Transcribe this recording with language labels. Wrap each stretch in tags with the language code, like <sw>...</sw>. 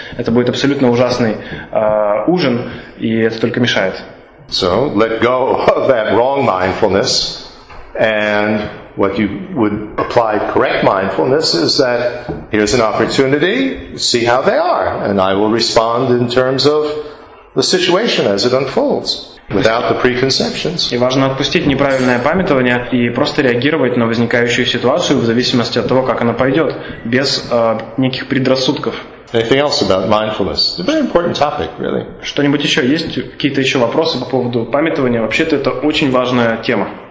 <ru>Это будет абсолютно ужасный ужин, и это только мешает.</ru> <en>So, let go of that wrong mindfulness, and what you would apply correct mindfulness is that here's an opportunity, see how they are, and I will respond in terms of the situation as it unfolds. Without the preconceptions.</en> <ru>И важно отпустить неправильное памятование и просто реагировать на возникающую ситуацию в зависимости от того, как она пойдет, без неких предрассудков.</ru> <en>Anything else about mindfulness? It's a very important topic, really.</en> <ru>Что-нибудь еще? Есть какие-то еще вопросы по поводу памятования? Вообще-то это очень важная тема.</ru>